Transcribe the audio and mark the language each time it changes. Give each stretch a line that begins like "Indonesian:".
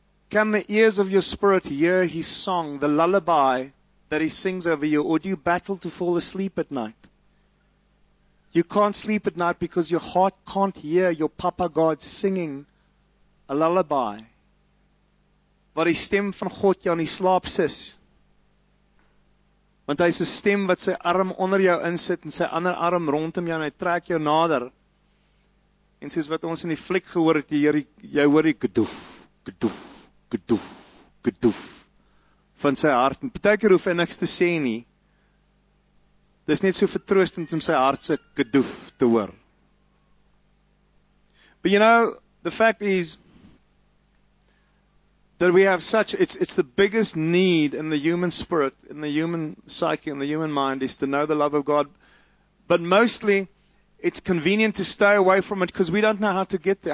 English: Can the ears of your spirit hear his song, the lullaby that he sings over you, or do you battle to fall asleep at night? You can't sleep at night because your heart can't hear your Papa God singing a lullaby,
Afrikaans: wat die stem van God jou in die slaap sis, want hy is een stem wat sy arm onder jou insit, en sy ander arm rondom jou, en hy trek jou nader, en soos wat ons in die fliek gehoor het, jy hoor die gedoef, gedoef, gedoef, gedoef, van sy hart, en partykeer hoef hy niks te sê nie, dit is net so vertroostend om sy hart sy gedoef te hoor.
English: But you know, the fact is, that we have such, it's the biggest need in the human spirit, in the human psyche, in the human mind, is to know the love of God. But mostly, it's convenient to stay away from it because we don't know how to get there.